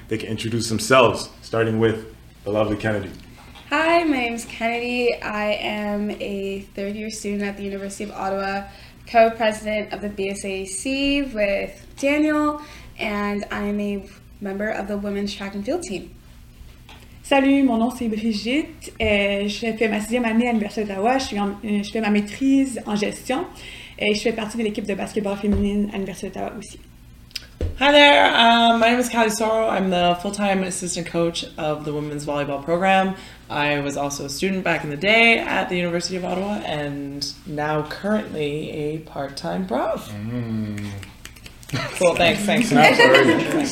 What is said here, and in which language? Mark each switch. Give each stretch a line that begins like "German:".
English: They can introduce themselves, starting with the lovely Kennedy. Hi, my name's Kennedy. I am a third-year student at the University of Ottawa. Co-president of the BSAC with Daniel, and I'm a member of the women's track and field team.
French: Salut, mon nom c'est Brigitte. Je fais ma sixième année à l'Université d'Ottawa. Je fais ma maîtrise en gestion et je fais partie de l'équipe de basketball féminine à l'Université d'Ottawa aussi.
English: Hi there, my name is Callie Sorrow. I'm the full-time assistant coach of the women's volleyball program. I was also a student back in the day at the University of Ottawa and now currently a part-time prof. Mm. Cool, thanks.